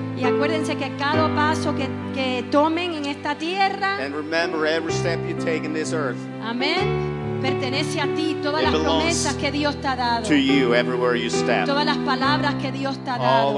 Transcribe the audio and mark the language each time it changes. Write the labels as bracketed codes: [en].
[es] Y acuérdense que cada paso que tomen en esta tierra. [en] And remember every step you take in this earth. [es] Amén. Pertenece a ti todas las promesas que Dios te ha dado. [en] To you everywhere you step. [es] Todas las palabras que Dios te ha dado.